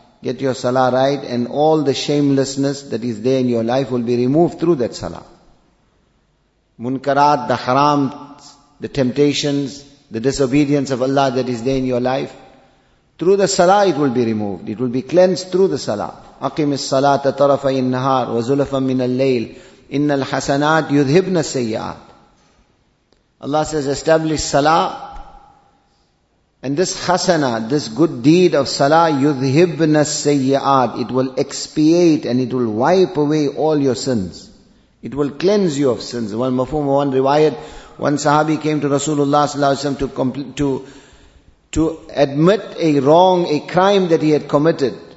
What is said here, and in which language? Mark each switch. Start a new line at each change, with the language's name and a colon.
English: Get your salah right, and all the shamelessness that is there in your life will be removed through that salah. Munkarat, the haram, the temptations, the disobedience of Allah that is there in your life, through the salah it will be removed. It will be cleansed through the salah.
Arabic: أقم الصلاة طرفي النهار وزلفا من الليل إن الحسنات يذهبن السيئات.
English: Allah says, establish salah And this hasana, this good deed of salah, yudhibna sayyi'at, it will expiate and it will wipe away all your sins. It will cleanse you of sins. One mafhum, one riwayat, one sahabi came to Rasulullah sallallahu alaihi wasallam to admit a wrong, a crime that he had committed.